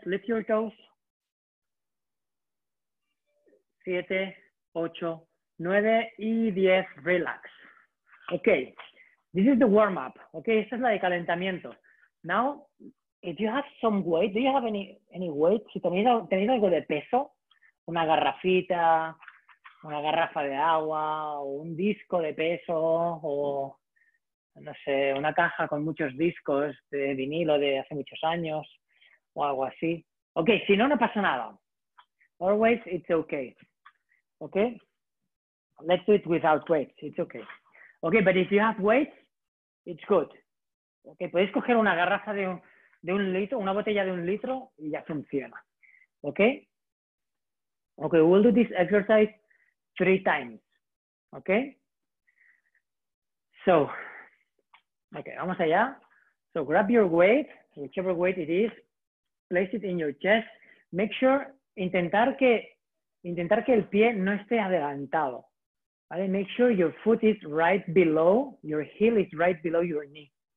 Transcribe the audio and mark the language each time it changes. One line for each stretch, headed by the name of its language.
English: Lift your toes. 7, 8, 9 y 10. Relax. Ok. This is the warm-up.
Spanish: Ok, esta es la de calentamiento.
English: Now, if you have some weight, do you have any weight?
Spanish: Si tenéis algo de peso, una garrafita, una garrafa de agua, o un disco de peso, o no sé, una caja con muchos discos de vinilo de hace muchos años, o algo así. Ok, si no, no pasa nada.
English: Always, it's okay.
Spanish: Ok.
English: Let's do it without weights. It's okay. Ok, but if you have weights, it's good.
Spanish: Ok, podéis coger una garrafa de un litro, una botella de un litro, y ya funciona.
English: Ok. Ok, we'll do this exercise 3 times. Ok.
Spanish: So. Ok, vamos allá.
English: So grab your weight, whichever weight it is. Place it in your chest. Make sure,
Spanish: intentar que el pie no esté adelantado. ¿Vale?
English: Make sure your foot is right below, your heel is right below your knee.